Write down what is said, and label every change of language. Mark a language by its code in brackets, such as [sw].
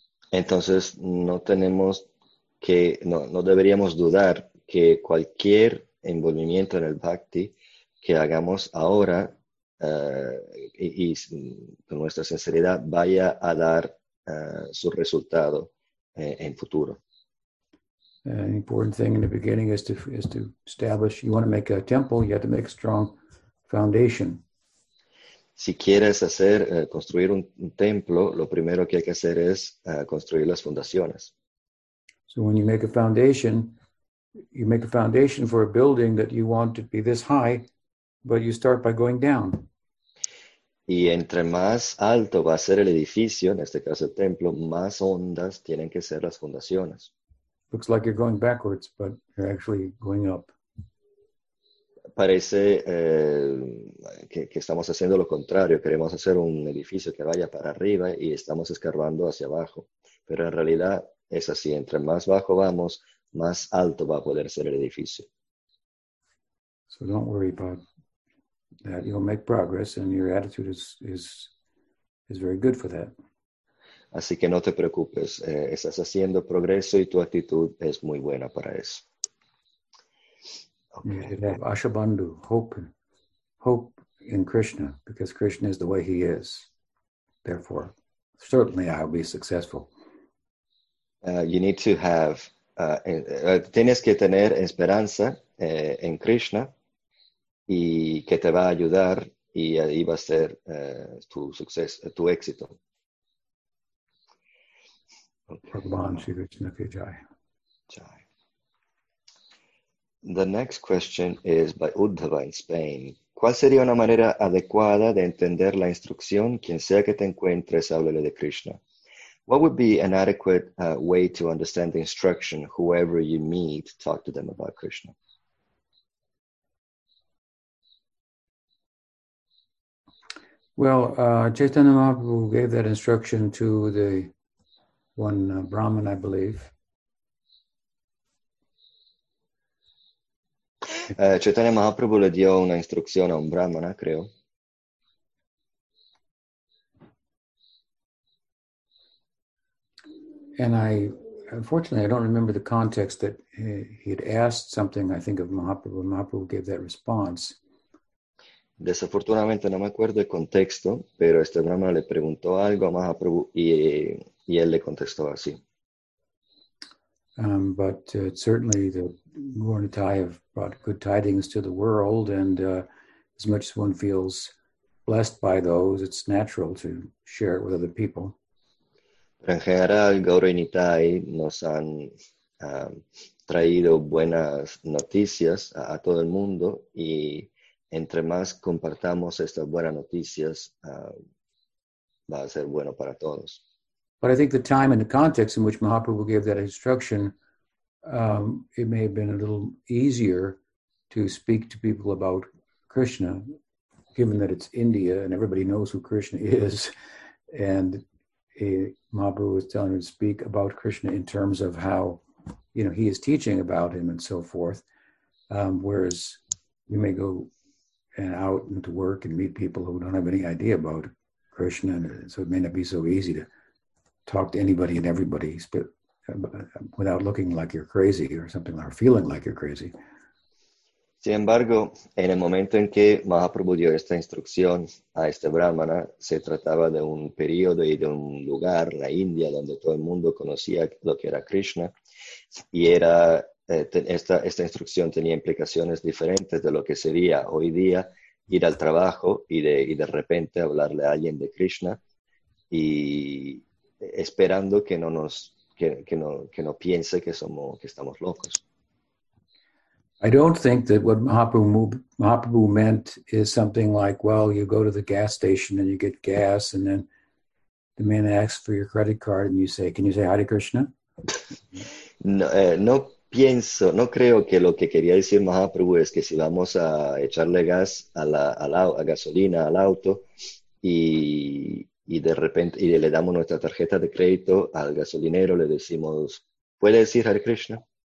[es] Entonces no deberíamos dudar que cualquier envolvimiento en el bhakti que hagamos ahora y con nuestra sinceridad vaya a dar su resultado en futuro. [en] An important thing in the beginning is to establish, you want to make a temple, you have to make a strong foundation. [es] Si quieres hacer construir un templo, lo primero que hay que hacer es construir las fundaciones. [en] So when you make a foundation for a building that you want to be this high, but you start by going down. [es] Y entre más alto va a ser el edificio, en este caso el templo, más hondas tienen que ser las fundaciones. [en] Looks like you're going backwards, but you're actually going up. [es] Parece que estamos haciendo lo contrario. Queremos hacer un edificio que vaya para arriba y estamos escarbando hacia abajo. Pero en realidad es así. Entre más bajo vamos, más alto va a poder ser el edificio. [en] So don't worry about that. You'll make progress and your attitude is very good for that. [es] Así que no te preocupes. Estás haciendo progreso y tu actitud es muy buena para eso. [en] Okay. You have Ashabandhu, hope in Krishna, because Krishna is the way he is. Therefore, certainly I'll be successful. You need to have, [es] tienes que tener esperanza en Krishna y que te va a ayudar y ahí va a ser tu suceso, tu éxito. [hi] Bhagavan Sri Krishna Ki Jai. Jai. [en] The next question is by Uddhava in Spain. [es] ¿Cuál sería una manera adecuada de entender la instrucción? Quien sea que te encuentres, háblele de Krishna. [en] What would be an adequate way to understand the instruction? Whoever you meet, talk to them about Krishna. Well, Chaitanya Mahaprabhu gave that instruction to the one Brahmin, I believe. [es] Chaitanya Mahaprabhu le dio una instrucción a un brahmana, creo. [en] And unfortunately, I don't remember the context that he had asked something, I think, of Mahaprabhu. Mahaprabhu gave that response. [es] Desafortunadamente, no me acuerdo el contexto, pero este brahmana le preguntó algo a Mahaprabhu y él le contestó así. [en] But certainly the Guru Nitai have brought good tidings to the world, and as much as one feels blessed by those, it's natural to share it with other people. [es] Pero en general, Guru Nitai nos han traído buenas noticias a todo el mundo, y entre más compartamos estas buenas noticias, va a ser bueno para todos. [en] But I think the time and the context in which Mahaprabhu gave that instruction it may have been a little easier to speak to people about Krishna, given that it's India and everybody knows who Krishna is. And Mahaprabhu was telling her to speak about Krishna in terms of how, you know, he is teaching about him and so forth. Whereas you may go and out and to work and meet people who don't have any idea about Krishna. And so it may not be so easy to talk to anybody and everybody without looking like you're crazy or something, or feeling like you're crazy. [es] Sin embargo, en el momento en que Mahaprabhu dio esta instrucción a este brahmana, se trataba de un periodo y de un lugar, la India, donde todo el mundo conocía lo que era Krishna, y era esta instrucción tenía implicaciones diferentes de lo que sería hoy día ir al trabajo y de repente hablarle a alguien de Krishna y esperando que no nos que no piense que estamos locos. [en] I don't think that what Mahaprabhu meant is something like, well, you go to the gas station and you get gas, and then the man asks for your credit card, and you say, can you say Hare Krishna? [es] No creo que lo que quería decir Mahaprabhu es que si vamos a echarle gas a gasolina al auto y de repente le damos nuestra tarjeta de crédito al gasolinero, le decimos, ¿puede decir Hare Krishna?